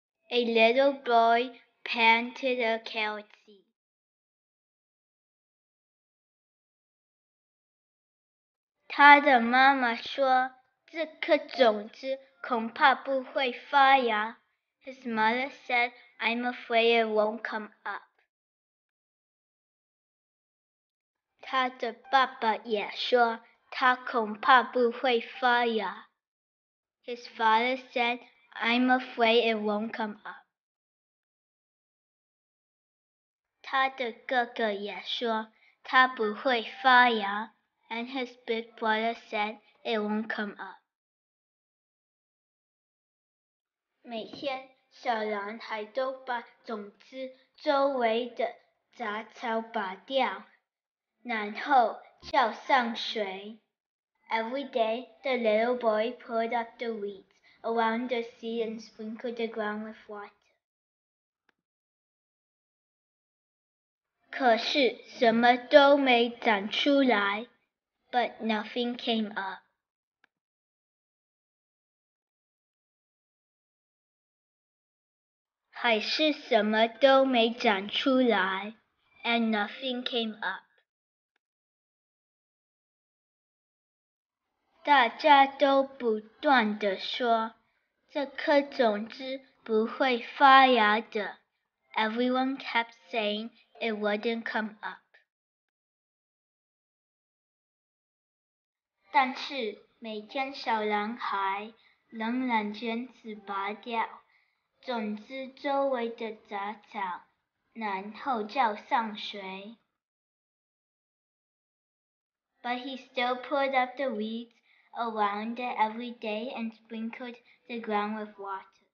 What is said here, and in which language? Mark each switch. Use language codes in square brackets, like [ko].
[en] A little boy planted a carrot seed. [zh] 他的妈妈说，这颗种子恐怕不会发芽。 [en] His mother said, I'm afraid it won't come up. [zh] 他的爸爸也说，他恐怕不会发芽。 [en] His father said, I'm afraid it won't come up. [zh] 他的哥哥也说，他不会发芽。 [en] And his big brother said, it won't come up. [zh] 每天，小男孩都把种子周围的杂草拔掉，然后浇上水。 [en] Every day, the little boy pulled up the weeds around the seed and sprinkled the ground with water. [zh] 可是，什么都没长出来。 [en] But nothing came up. [zh] 还是什么都没长出来 ， [en] and nothing came up。 [zh] 大家都不断地说，这颗种子不会发芽的。 [en] Everyone kept saying it wouldn't come up。 [zh] 但是每天小男孩仍然坚持拔掉。种子周围的杂草，然后浇上水。 [en] But he still pulled up the weeds around it every day and sprinkled the ground with water.